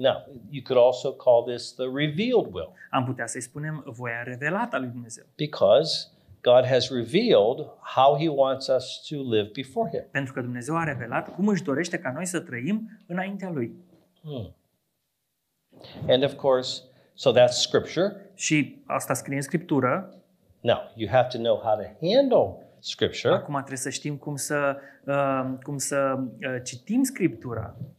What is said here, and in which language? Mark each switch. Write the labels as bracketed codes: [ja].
[en] Now, you could also call this the revealed will. [ro] Am putea să-i spunem voia revelată a lui Dumnezeu. [en] Because God has revealed how he wants us to live before him. [ro] Pentru că Dumnezeu a revelat cum își dorește ca noi să trăim înaintea lui. [en] And of course, so that's scripture. [ro] Și asta scrie în Scriptură. [en] Now, you have to know how to handle Scripture. [ro] Acum trebuie să știm cum să citim Scriptura.